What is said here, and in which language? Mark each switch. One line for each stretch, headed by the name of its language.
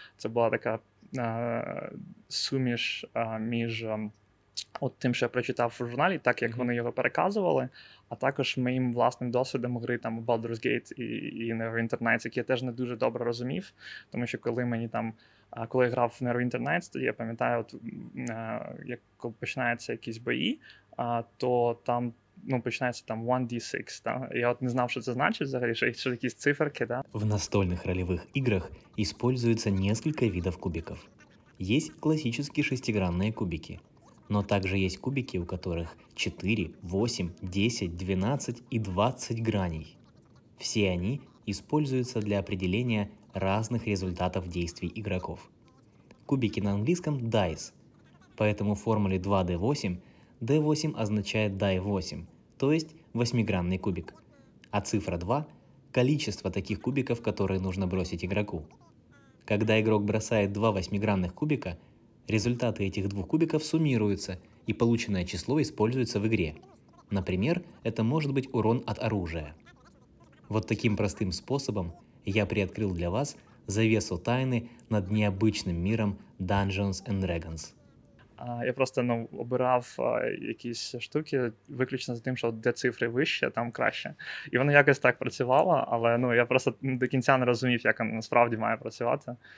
Ukrainian: Це була така суміш між от тим, що я прочитав в журналі, так як вони його переказували, а також моїм власним досвідом гри там у Baldur's Gate і Neverwinter Nights, які я теж не дуже добре розумів, тому що коли мені там коли я грав в Neverwinter Nights, то я пам'ятаю, от як починаються якісь бої, то там, ну, починається там 1d6, да? Я от не знав, що це значить взагалі, що якісь циферки, да?
Russian: В настольних ролевых играх используется несколько видов кубиков. Есть классические шестигранные кубики, но также есть кубики, у которых 4, 8, 10, 12 и 20 граней. Все они используются для определения разных результатов действий игроков. Кубики на английском dice, поэтому в формуле 2d8 D8 означает die8, то есть восьмигранный кубик. А цифра 2 – количество таких кубиков, которые нужно бросить игроку. Когда игрок бросает 2 восьмигранных кубика, результаты этих двух кубиков суммируются, и полученное число используется в игре. Например, это может быть урон от оружия. Вот таким простым способом я приоткрыл для вас завесу тайны над необычным миром Dungeons & Dragons.
Ukrainian: Я просто, ну, обирав якісь штуки виключно за тим, що де цифри вище, там краще. І воно якось так працювало, але, ну, я просто до кінця не розумів, як воно насправді має працювати.